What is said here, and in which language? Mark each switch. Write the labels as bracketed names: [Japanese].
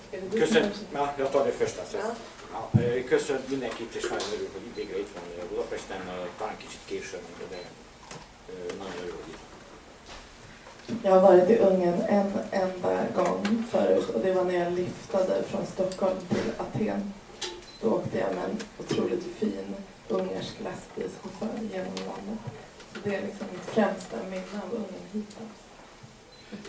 [Swedish] Köszönöm, jag tar det första sen. [Hungarian] Köszönöm mindenkit, és nagyon örülök, hogy végre itt van Budapesten, talán kicsit később, de nagyon örülök itt. [Swedish] Jag har varit i Ungern en enda gång förut, och det var när jag liftade från Stockholm till Aten. Då åkte jag med en otroligt fin ungersk lastbilschaufför genom landet. Så det är liksom mitt främsta minne av Ungern hittills.